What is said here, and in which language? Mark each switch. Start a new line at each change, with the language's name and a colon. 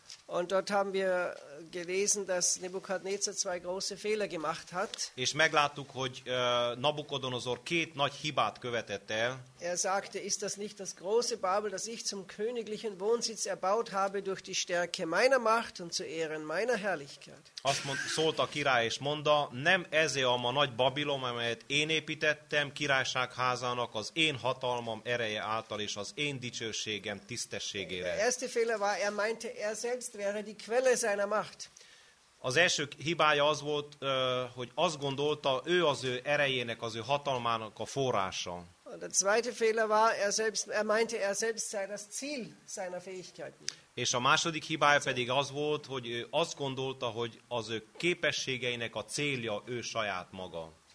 German: Und dort haben wir gelesen, dass Nebukadnezar zwei große Fehler gemacht hat.
Hungarian: És megláttuk, hogy Nabukodonozor két nagy hibát követett el.
German: Er sagte, ist das nicht das große Babel, das ich zum königlichen Wohnsitz erbaut habe durch die Stärke meiner Macht und zu Ehren meiner Herrlichkeit?
Hungarian: Azt szólt a király és mondta, nem ez-e a nagy Babilon, amelyet én építettem királyságházának az én hatalmam ereje által és az én dicsőségem tisztességére.
German: Der erste Fehler war, er meinte, er selbst wäre die Quelle seiner Macht.
Hungarian: Az első hibája az volt, hogy azt gondolta, ő az ő erejének, az ő hatalmának a forrása.
German: Und der zweite Fehler war, er meinte, er selbst sei das Ziel seiner Fähigkeiten.
Hungarian: És a második hibája pedig az volt, hogy ő azt gondolta, hogy az ő képességeinek a célja ő saját maga.